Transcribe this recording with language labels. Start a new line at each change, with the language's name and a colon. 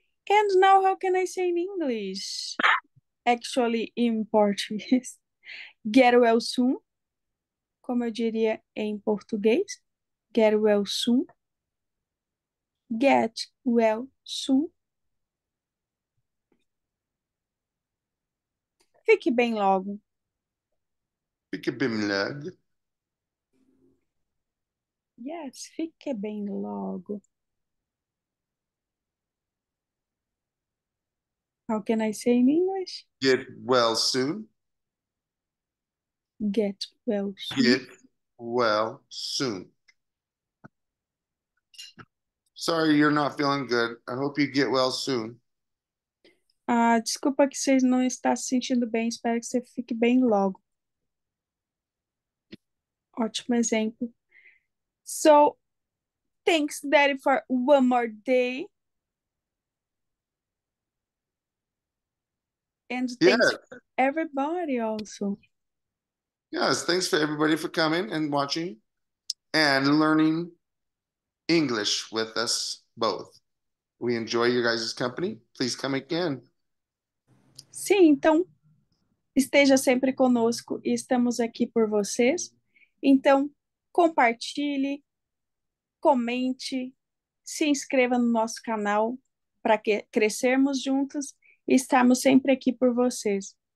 English: And now, how can I say in English? Actually, in Portuguese. Get well soon.
Portuguese: Como eu diria em português.
English: Get well soon. Get well soon.
Portuguese: Fique bem logo. Fique bem leve. Yes, fique bem logo.
English: How can I say in English? Get well soon. Get well soon. Get well soon. Sorry, you're not feeling good. I hope you get well soon.
Portuguese: Ah, desculpa que você não está se sentindo bem. Espero que você fique bem logo. Ótimo exemplo.
English: So, thanks, Daddy, for one more day. And Yeah. thanks for everybody also. Yes, thanks for everybody for coming and watching and learning English with us both. We enjoy your guys' company. Please come again.
Portuguese: Sim, então esteja sempre conosco e estamos aqui por vocês. Então, compartilhe. Comente, se inscreva no nosso canal para que crescermos juntos e estarmos sempre aqui por vocês.